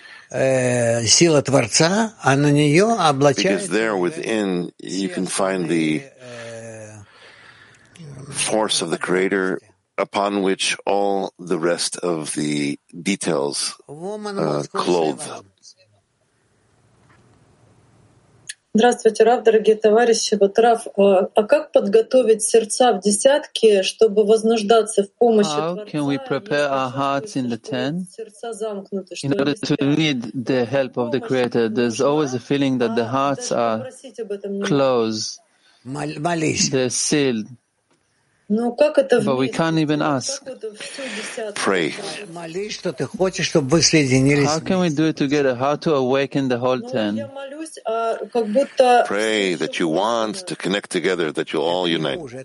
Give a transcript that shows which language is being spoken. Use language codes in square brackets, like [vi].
[en] Because there within you can find the force of the Creator upon which all the rest of the details clothe. [ru] Здравствуйте, Рав, дорогие товарищи. Вот, Рав, а как подготовить сердца в десятке, чтобы вознуждаться в помощи Творца? [en] How can we prepare our hearts in the ten in order to need the help of the Creator? There's always a feeling that the hearts are closed, they're sealed. [ru] Ну как это? [en] But we can't even ask. Pray. [ru] Молись, что ты хочешь, чтобы вы соединились. [en] How can we do it together? How to awaken the whole ten? Pray that you want to connect together, that you all unite.